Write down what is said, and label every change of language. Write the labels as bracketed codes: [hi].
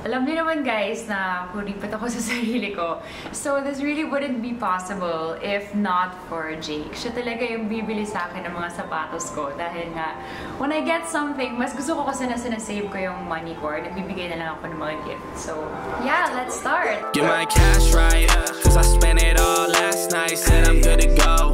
[tl] Alam niyo naman guys na puripat ako sa sarili ko. [en] So this really wouldn't be possible if not for Jake. [tl] Siya talaga yung bibili sa akin ng mga sapatos ko. Dahil nga, [en] when I get something, [tl] mas gusto ko kasi na sinasave ko yung money ko or nagbibigay na lang ako ng mga gift. [en] So yeah, let's start! Get my cash right, cause I spent it all last night, said I'm good to go.